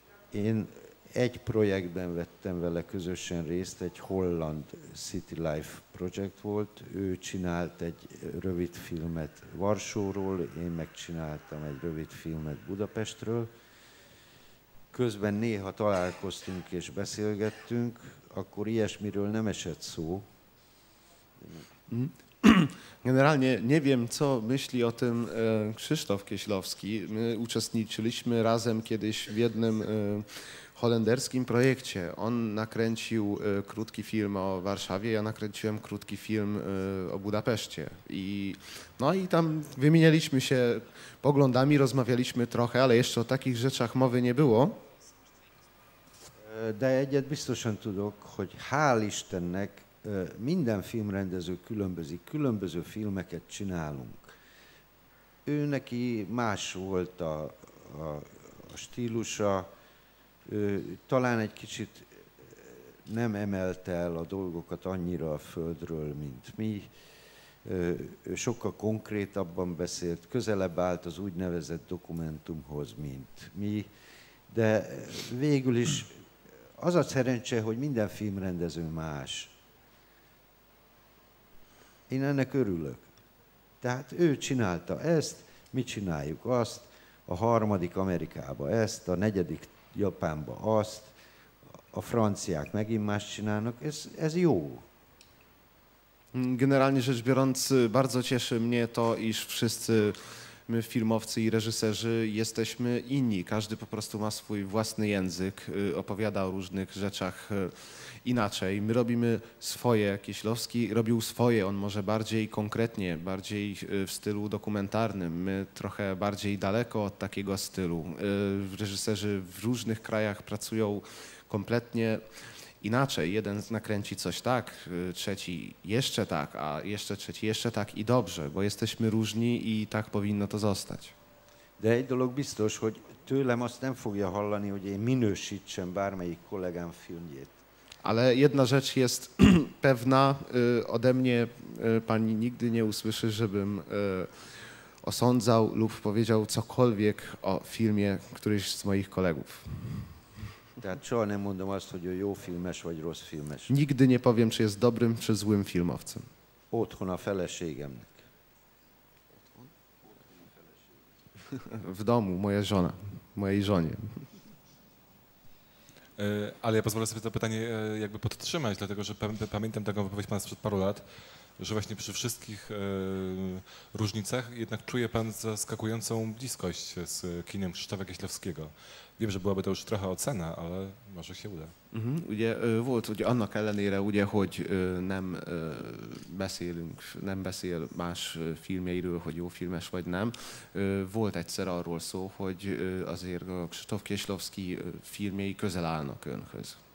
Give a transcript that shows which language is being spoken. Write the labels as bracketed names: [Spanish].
[Hungarian] Én egy projektben vettem vele közösen részt, egy holland City Life projekt volt. Ő csinált egy rövid filmet Varsóról, én megcsináltam egy rövid filmet Budapestről. Közben néha találkoztunk és beszélgettünk, akkor ilyesmiről nem esett szó. [Polish] Generalnie nie wiem, co myśli o tym Krzysztof Kieślowski. My uczestniczyliśmy razem kiedyś w jednym holenderskim projekcie. On nakręcił krótki film o Warszawie, ja nakręciłem krótki film o Budapeszcie. No i tam wymienialiśmy się poglądami, rozmawialiśmy trochę, ale jeszcze o takich rzeczach mowy nie było. [Hungarian] De egyet biztosan tudok, hogy hál' Istennek minden filmrendező különbözik, különböző filmeket csinálunk. Ő neki más volt a stílusa, talán egy kicsit nem emelte el a dolgokat annyira a földről, mint mi. Ő sokkal konkrétabban beszélt, közelebb állt az úgynevezett dokumentumhoz, mint mi. De végül is az a szerencse, hogy minden filmrendező más. Én ennek örülök. Tehát ő csinálta ezt, mi csináljuk azt, a harmadik Amerikába ezt, a negyedik Japánba azt, a franciák megint más csinálnak, ez jó. [Polish] Generalnie rzecz biorąc, bardzo cieszy mnie to, iż wszyscy my, filmowcy i reżyserzy, jesteśmy inni. Każdy po prostu ma swój własny język, opowiada o różnych rzeczach inaczej. My robimy swoje, Kieślowski robił swoje, on może bardziej konkretnie, bardziej w stylu dokumentarnym. My trochę bardziej daleko od takiego stylu. Reżyserzy w różnych krajach pracują kompletnie inaczej. Jeden nakręci coś tak, trzeci jeszcze tak, a jeszcze trzeci jeszcze tak i dobrze, bo jesteśmy różni i tak powinno to zostać. [Hungarian] De egy dolog biztos, hogy tőlem azt nem fogja hallani, hogy én minősítsem bármelyik kollégám filmjét. [Polish] Ale jedna rzecz jest pewna, ode mnie pani nigdy nie usłyszy, żebym osądzał lub powiedział cokolwiek o filmie któryś z moich kolegów. [Hungarian] Tehát soha nem mondom azt, hogy ő jó filmes vagy rossz filmes. [Polish] Nigdy nie powiem, czy jest dobrym, czy złym filmowcem. [Hungarian] Otthon a feleségemnek. [Polish] W domu, moja żona, mojej żonie. Ale ja pozwolę sobie to pytanie jakby podtrzymać, dlatego że pamiętam taką wypowiedź pana sprzed paru lat, że właśnie przy wszystkich różnicach jednak czuje pan zaskakującą bliskość z kinem Krzysztofa Kieślowskiego. Wiem, że byłaby to już trochę ocena, ale może się uda. Mhm. [Hungarian] Ugye volt ugye annak ellenére, ugye, hogy nem beszélünk, nem beszél más filmjeiről, hogy jó filmes vagy nem. Volt egyszer arról szó, hogy azért a Krzysztof Kieślowski filmjei közel állnak önhöz.